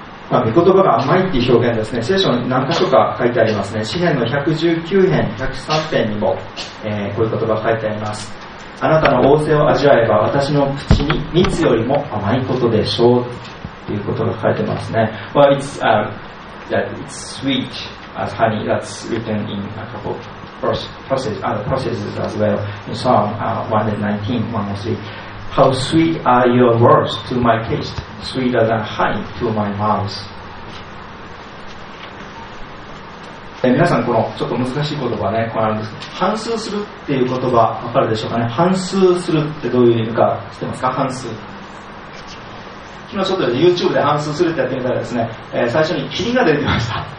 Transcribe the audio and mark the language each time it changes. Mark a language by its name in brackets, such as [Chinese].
[Japanese] まあ、御言葉が甘いっていう表現ですね。聖書に何箇所か書いてありますね。詩編の119編、103編にも、こういう言葉が書いてあります。あなたの旺盛を味わえば私の口に蜜よりも甘いことでしょうということが書いてますね。 [English] Well, it's sweet as honey. That's written in a couple of processes as well. In Psalm 119, 103. How sweet are your words to my taste, sweeter than honey to my mouth. [Japanese] 皆さんこのちょっと難しい言葉ね、これあるんですけど、反芻するっていう言葉分かるでしょうかね。反芻するってどういう意味か知ってますか。反芻、昨日ちょっと YouTube で反芻するってやってみたらですね、最初にキリンが出てました。